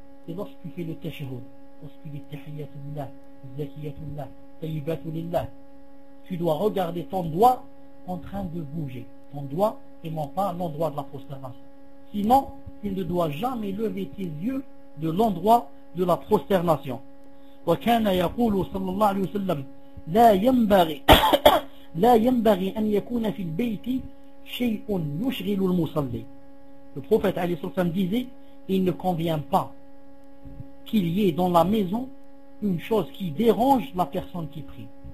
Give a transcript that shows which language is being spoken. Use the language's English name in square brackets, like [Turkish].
[French] C'est lorsque tu fais le tashahhud. Lorsque tu dis tahiyyatullah, zakiyyatullah, tayyibatullah. Tu dois regarder ton doigt en train de bouger. Ton doigt et non pas l'endroit de la prosternation. Sinon, tu ne dois jamais lever tes yeux de l'endroit de la prosternation. [Arabic] وكان يقول صلى الله عليه وسلم لا ينبغي لا ينبغي أن يكون في البيت شيء يشغل المصلي. [French] Le prophète [Arabic] عليه الصلاة والسلام [French] disait, il ne convient pas qu'il y ait dans la maison une chose qui dérange la personne qui prie.